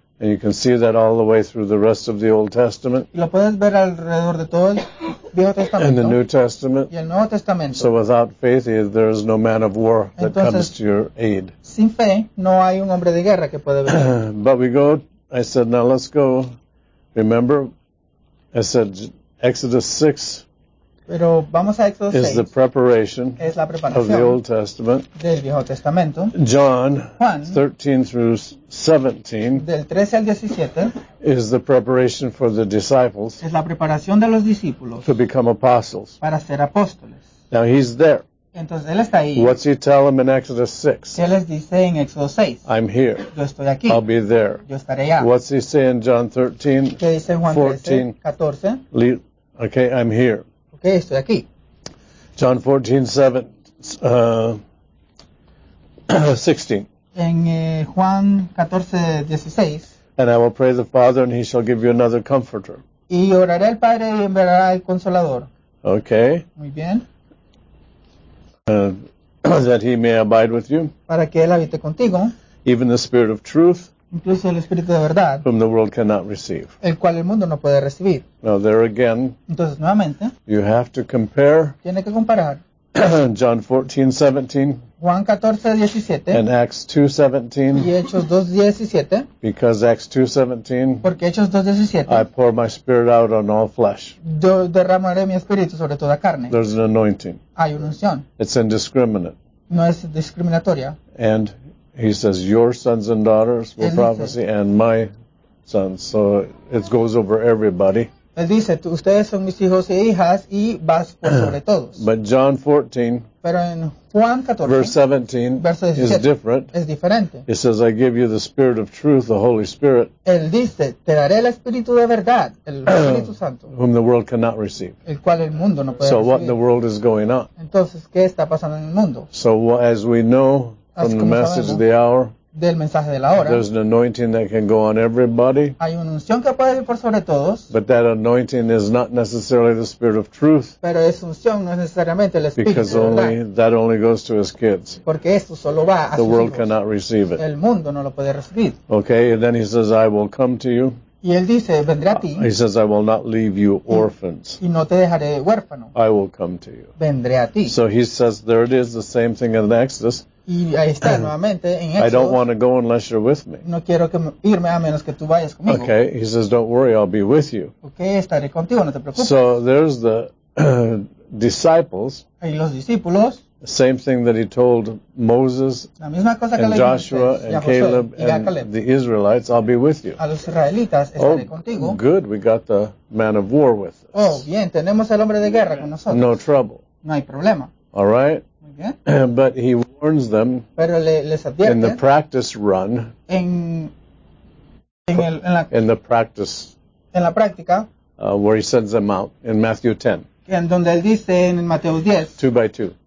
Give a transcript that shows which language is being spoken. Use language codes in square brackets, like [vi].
[en] And you can see that all the way through the rest of the Old Testament. [es] Y lo puedes ver alrededor de todo el Viejo Testamento. [en] And the New Testament. [es] Y el Nuevo Testamento. [en] So without faith, there is no man of war that [es] entonces, [en] comes to your aid. [es] Sin fe, no hay un hombre de guerra que puede venir. [en] But we go, I said, now let's go. Remember, I said, Exodus 6. [es] Pero vamos a Exodus 6. [en] Is the preparation. [es] Es la preparación. [en] Of the Old Testament. [es] Del Viejo Testamento. [en] John. [es] Juan. [en] 13 through 17. [es] Del 13 al 17. [en] Is the preparation for the disciples. [es] Es la preparación de los discípulos. [en] To become apostles. [es] Para ser apóstoles. [en] Now he's there. [es] Entonces él está ahí. [en] What's he tell them in Exodus 6? [es] ¿Qué les dice en Exodus 6? [en] I'm here. [es] Yo estoy aquí. [en] I'll be there. [es] Yo estaré allá. [en] What's he say in John 13? [es] ¿Qué dice Juan 14? 13, [en] 14. Okay, I'm here. [es] Okay, estoy aquí. [en] John 14:16. [es] En Juan 14:16. [en] And I will pray the Father, and he shall give you another comforter. [es] Y oraré al Padre y enviará el Consolador. [en] Okay. [es] Muy bien. [en] That he may abide with you. [es] Para que él habite contigo. [en] Even the Spirit of Truth. [es] Incluso el Espíritu de verdad. [en] Whom the world cannot receive. [es] El cual el mundo no puede recibir. [en] Now there again. [es] Entonces nuevamente. [en] You have to compare. [es] Tiene que comparar. [en] John 14:17. [es] Juan 14:17. [en] And Acts 2:17. [es] Y Hechos 2:17. [en] Because Acts 2:17. [es] Porque Hechos 2:17. [en] I pour my spirit out on all flesh. [es] Derramaré mi espíritu sobre toda carne. [en] There's an anointing. [es] Hay una unción. [en] It's indiscriminate. [es] No es discriminatoria. [en] And he says, your sons and daughters will prophesy, and my sons. So it goes over everybody. [es] Él dice, ustedes son mis hijos e hijas, y vas por sobre todos. [en] But John 14, [es] pero en Juan 14, [en] verse 17, [es] verso 17, [en] is different. [es] Es diferente. [en] It says, I give you the Spirit of Truth, the Holy Spirit. [es] Él dice, te daré el Espíritu de verdad, el Espíritu Santo. [en] Whom the world cannot receive. [es] El cual el mundo no puede so recibir. [en] What the world is going on? [es] Entonces, ¿qué está pasando en el mundo? [en] So as we know, from the message [es] sabemos, [en] of the hour, [es] del mensaje de la hora. [en] There's an anointing that can go on everybody. [es] Hay una unción que puede ir por sobre todos. [en] But that anointing is not necessarily the spirit of truth. [es] Pero esa unción no es necesariamente el espíritu de verdad. [en] Because only that only goes to his kids. [es] Porque esto solo va a sus hijos. [en] The world cannot receive it. [es] El mundo no lo puede recibir. [en] Okay, and then he says, I will come to you. [es] Y él dice, vendré a ti. [en] He says, I will not leave you orphans. [es] Y no te dejaré huérfano. [en] I will come to you. [es] Vendré a ti. [en] So he says, there it is, the same thing in Exodus. [es] Y ahí está, nuevamente, en Éxodo, [en] I don't want to go unless you're with me. [es] No quiero que irme a menos que tú vayas conmigo. [en] Okay, he says, don't worry, I'll be with you. [es] Okay, estaré contigo, no te preocupes. [en] So there's the disciples. [es] Y los discípulos. [en] The same thing that he told Moses, [es] la misma cosa que [en] and Joshua, and Caleb, [es] y [en] and the Israelites, I'll be with you. [es] A los israelitas, oh, estaré contigo. [en] Good, we got the man of war with us. [es] Oh, bien, tenemos el hombre de guerra con nosotros. [en] No trouble. [es] No hay problema. [en] All right. Yeah. But he warns them in the practice run, where he sends them out in Matthew 10, [es] en donde él dice en Mateo 10, [en] 2 by 2.